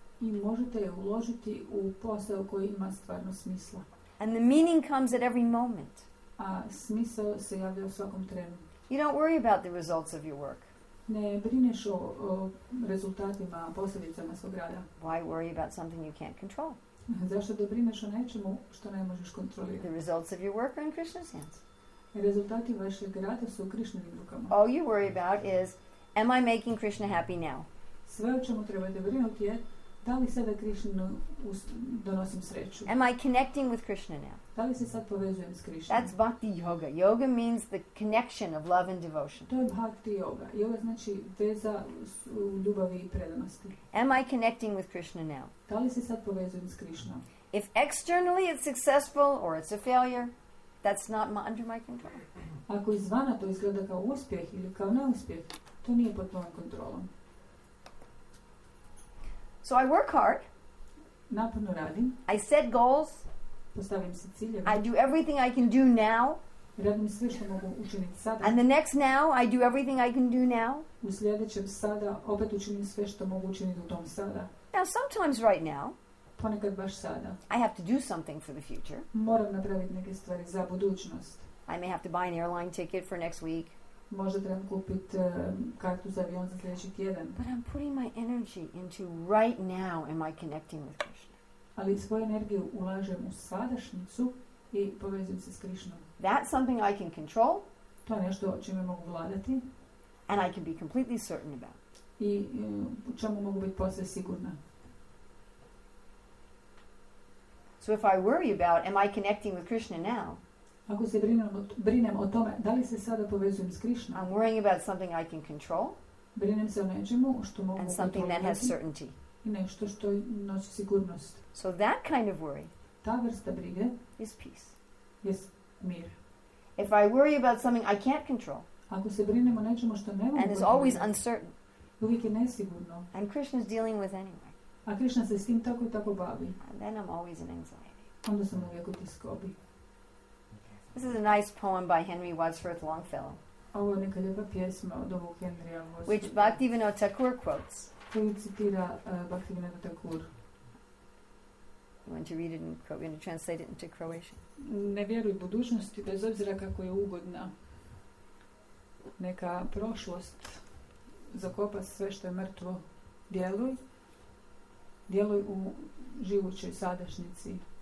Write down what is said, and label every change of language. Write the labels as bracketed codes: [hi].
[hr] I možete je uložiti u posao koji ima stvarno smisla. [en] And the meaning comes at every moment. [hr] A smisao se javlja u svakom trenu. [en] You don't worry about the results of your work. [hr] Ne brineš o rezultatima, posljedicama svog rada. [en] Why worry about something you can't control? [hr] Zašto da brineš o nečemu što ne možeš kontrolirati? [en] The results of your work are in Krishna's hands. [hr] Rezultati vašeg rada su u Krishnovim rukama. [en] All you worry about is, am I making Krishna happy now? [hr] Sve o čemu trebate brinuti je, da li sada Krishna donosim sreću? [en] Am I connecting with Krishna now? [hr] Da li se sad povezujem s Krishna? [en] That's bhakti yoga. Yoga means the connection of love and devotion. [hr] To je bhakti yoga. Yoga znači veza u ljubavi i predanosti. [en] Am I connecting with Krishna now? [hr] Da li se sad povezujem s Krishna? [en] If externally it's successful or it's a failure, that's not under my control. [hr] Ako izvana to izgleda kao uspjeh ili kao neuspjeh, to nije pod mojom kontrolom. [en] So I work hard. [hr] Naporno radim. [en] I set goals. [hr] Postavim si ciljeve. [en] I do everything I can do now. [hr] Radim sve što mogu učiniti sada. [en] And the next now, I do everything I can do now. [hr] U sljedećem sada opet učinim sve što mogu učiniti u tom sada. [en] Now sometimes right now. [hr] Ponekad baš sada. [en] I have to do something for the future. [hr] Moram napraviti neke stvari za budućnost. [en] I may have to buy an airline ticket for next week. [hr] Možda trebam kupiti kartu za avion za sljedeći tjedan. [en] But I'm putting my energy into right now, am I connecting with Krishna? [hr] Ali svoju energiju ulažem u sadašnjicu i povezujem se s Krishnom. [en] That's something I can control. [hr] To je nešto čime mogu vladati. [en] And I can be completely certain about. [hr] I čemu mogu biti posve sigurna. [en] So if I worry about, am I connecting with Krishna now? [hr] Ako se brinem o tome, da li se sada povezujem s Krishnom? [en] I'm worrying about something I can control. [hr] Brinem se o nečemu što mogu kontrolirati. [en] And something that has certainty. [hr] I nešto što nosi sigurnost. [en] So that kind of worry. [hr] Ta vrsta brige. [en] Is peace. [hr] Jest mir. [en] If I worry about something I can't control. [hr] Ako se brinem o nečemu što ne mogu kontrolirati. [en] And is always uncertain. [hr] Uvijek je nesigurno. [en] And Krishna is dealing with anyway. [hr] A Krishna se s tim tako i tako bavi. [en] And then I'm always in anxiety. [hr] Onda sam uvijek u tiskobi. [en] This is a nice poem by Henry Wadsworth Longfellow. [hr] Ovo je neka lijepa pjesma od ovog Henrya Wadsworth. [en] Which Bhaktivinoda Thakur quotes. [hr] Koju citira Bhaktivinoda Thakur. [en] You want to read it and you want to translate it into Croatian? [hr] Ne vjeruj budućnosti, bez obzira kako je ugodna. Neka prošlost zakopa sve što je mrtvo. Djeluj. Djeluj u živućoj sadašnjici.